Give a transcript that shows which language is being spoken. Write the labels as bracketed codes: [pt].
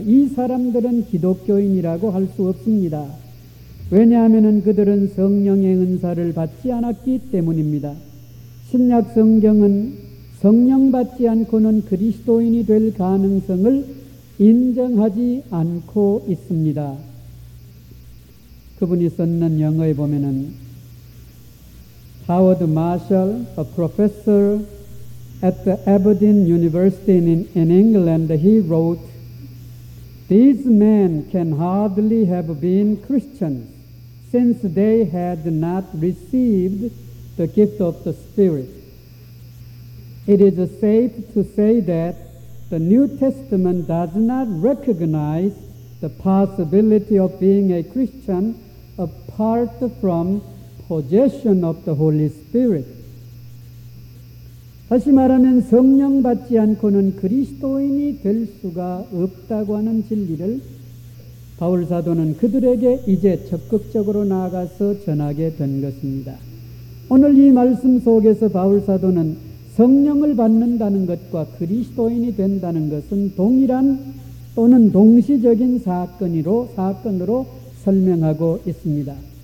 [ko] 이 사람들은 기독교인이라고 할 수 없습니다. 왜냐하면 그들은 성령의 은사를 받지 않았기 때문입니다. 신약 성경은 성령 받지 않고는 그리스도인이 될 가능성을 인정하지 않고 있습니다. 그분이 썼는 영어에 보면은 [en] Howard Marshall, a professor at the Aberdeen University in England, he wrote, These men can hardly have been Christians since they had not received the gift of the Spirit. It is safe to say that the New Testament does not recognize the possibility of being a Christian apart from possession of the Holy Spirit. [ko] 다시 말하면 성령 받지 않고는 그리스도인이 될 수가 없다고 하는 진리를 바울 사도는 그들에게 이제 적극적으로 나아가서 전하게 된 것입니다. 오늘 이 말씀 속에서 바울 사도는 성령을 받는다는 것과 그리스도인이 된다는 것은 동일한 또는 동시적인 사건으로 설명하고 있습니다.